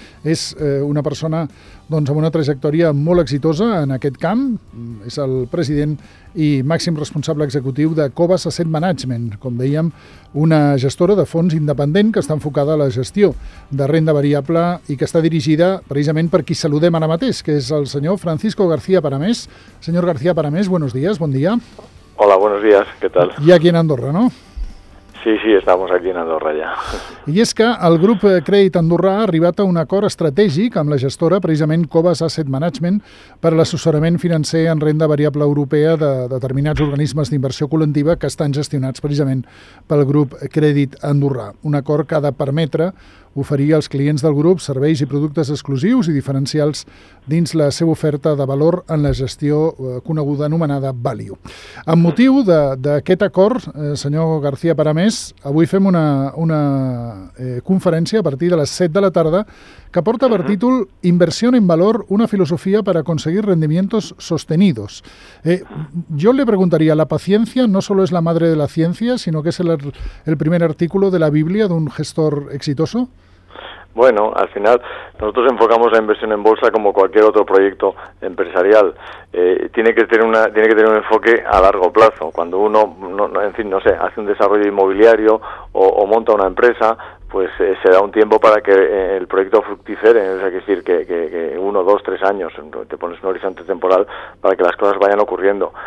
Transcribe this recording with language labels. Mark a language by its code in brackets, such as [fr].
[ca] És una persona doncs amb una trajectòria molt exitosa en aquest camp, és el president i màxim responsable executiu de Covas Asset Management, com dèiem, una gestora de fons independent que està enfocada a la gestió de renda variable i que està dirigida precisament per qui saludem ara mateix, que és el senyor Francisco García Paramés. Senyor García Paramés, [es] buenos días, [ca] bon dia. [es] Hola, buenos días, ¿qué tal? [ca] I aquí en Andorra, no? [es] Sí, sí, estamos aquí en Andorra ya. [ca] I és que el grup Crèdit Andorrà ha arribat a un acord estratègic amb la gestora, precisament Covas Asset Management, per a l'assessorament financer en renda variable europea de determinats organismes d'inversió col·lectiva que estan gestionats precisament pel grup Crèdit Andorrà. Un acord que ha de permetre oferir als clients del grup serveis i productes exclusius i diferencials dins la seva oferta de valor en la gestió coneguda anomenada Value. Amb motiu d'aquest acord, senyor García Paramés, avui fem una conferència a partir de les 7 de la tarda que porta per títol [es] Inversión en valor, una filosofía para conseguir rendimientos sostenidos. Yo le preguntaría, la paciencia no solo es la madre de la ciencia, sino que es el primer artículo de la Biblia de un gestor exitoso. Bueno, al final nosotros enfocamos la inversión en bolsa como cualquier otro proyecto empresarial. Tiene que tener un enfoque a largo plazo. Cuando uno, hace un desarrollo inmobiliario o monta una empresa, pues se da un tiempo para que el proyecto fructifere, es decir, que uno, dos, tres años, te pones un horizonte temporal para que las cosas vayan ocurriendo.